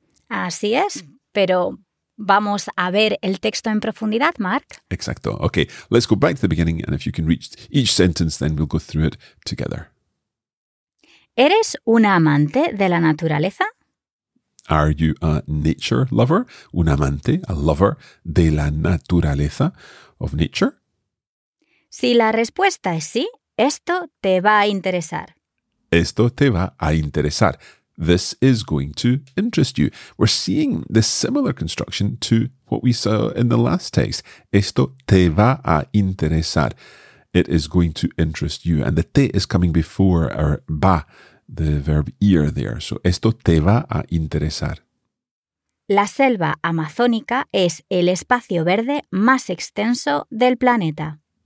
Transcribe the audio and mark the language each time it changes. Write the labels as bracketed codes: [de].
[es] Así es, pero vamos a ver el texto en profundidad, Mark. Exacto. [en] Okay, let's go back to the beginning, and if you can reach each sentence, then we'll go through it together. [es] ¿Eres una amante de la naturaleza? [en] Are you a nature lover? [es] Un amante, [en] a lover [es] de la naturaleza, [en] of nature? [es] Si la respuesta es sí, esto te va a interesar. Esto te va a interesar. [en] This is going to interest you. We're seeing this similar construction to what we saw in the last text. [es] Esto te va a interesar. [en] It is going to interest you. And the te is coming before our va, the verb ir there. [es] So, esto te va a interesar. La selva amazónica es el espacio verde más extenso del planeta.